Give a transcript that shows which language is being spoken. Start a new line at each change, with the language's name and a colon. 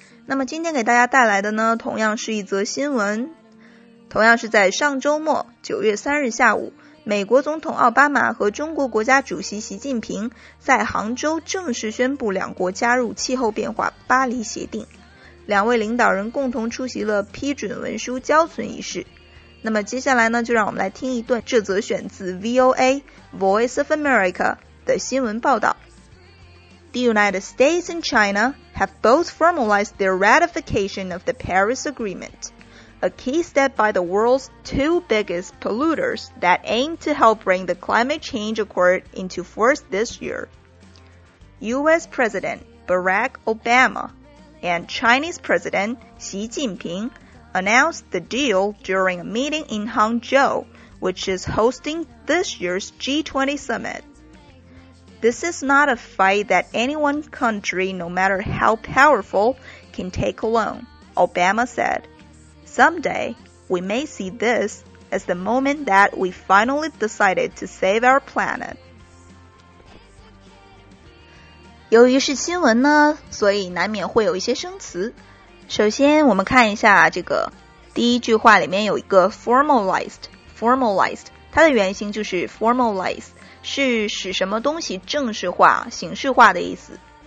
Chinese: 那么今天给大家带来的呢，同样是一则新闻，同样是在上周末9月3日下午，美国总统奥巴马和中国国家主席习近平在杭州正式宣布两国加入气候变化巴黎协定，两位领导人共同出席了批准文书交存仪式。那么接下来呢，就让我们来听一段这则选自 VOA Voice of America 的新闻报道。
English: The United States and China have both formalized their ratification of the Paris Agreement, a key step by the world's two biggest polluters that aim to help bring the climate change accord into force this year. U.S. President Barack Obama and Chinese President Xi Jinping announced the deal during a meeting in Hangzhou, which is hosting this year's G20 summit. This is not a fight that any one country, no matter how powerful, can take alone, Obama said. Someday, we may see this as the moment that we finally decided to save our planet.
Chinese: 由于是新闻呢，所以难免会有一些生词。首先我们看一下这个第一句话里面有一个 formalized， 它的原型就是 formalize， 是使什么东西正式化、形式化的意思。